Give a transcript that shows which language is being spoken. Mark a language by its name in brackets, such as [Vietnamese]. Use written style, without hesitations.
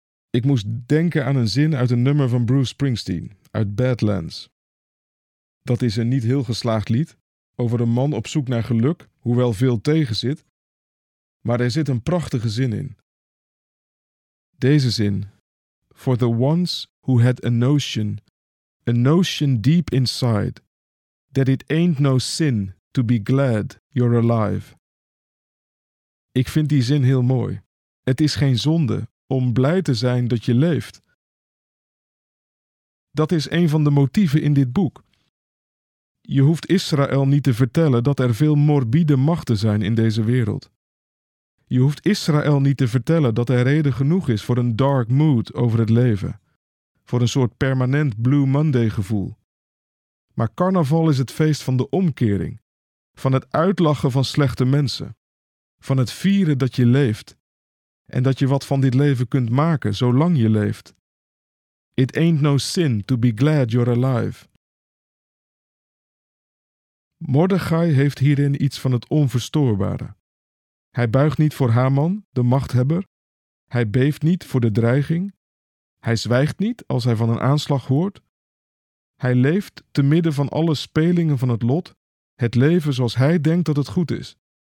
[Dutch] Ik moest denken aan een zin uit een nummer van Bruce Springsteen, uit Badlands. Dat is een niet heel geslaagd lied, over een man op zoek naar geluk, hoewel veel tegenzit, maar er zit een prachtige zin in. Deze zin. [English] For the ones who had a notion deep inside, that it ain't no sin to be glad you're alive. [Dutch] Ik vind die zin heel mooi. Het is geen zonde om blij te zijn dat je leeft. Dat is een van de motieven in dit boek. Je hoeft Israël niet te vertellen dat er veel morbide machten zijn in deze wereld. Je hoeft Israël niet te vertellen dat er reden genoeg is voor een [English] dark mood [Dutch] over het leven. Voor een soort permanent Blue Monday gevoel. Maar carnaval is het feest van de omkering, van het uitlachen van slechte mensen, van het vieren dat je leeft en dat je wat van dit leven kunt maken zolang je leeft. [English] It ain't no sin to be glad you're alive. [Dutch] Mordechai heeft hierin iets van het onverstoorbare. Hij buigt niet voor Haman, de machthebber. Hij beeft niet voor de dreiging. Hij zwijgt niet als hij van een aanslag hoort. Hij leeft te midden van alle spelingen van het lot, het leven zoals hij denkt dat het goed is.